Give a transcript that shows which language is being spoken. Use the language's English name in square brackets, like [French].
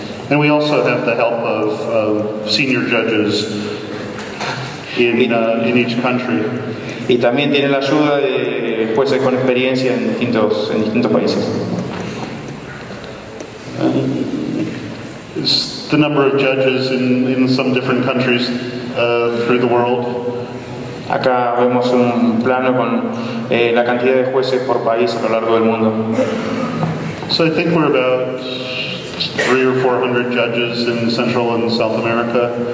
[English] And we also have the help of senior judges in each country. [Spanish] Y también tiene la ayuda de jueces con experiencia en distintos países. [English] The number of judges in some different countries through the world. [Spanish] Acá vemos un plano con la cantidad de jueces por país a lo largo del mundo. [English] So I think we're about 300 or 400 judges in Central and South America.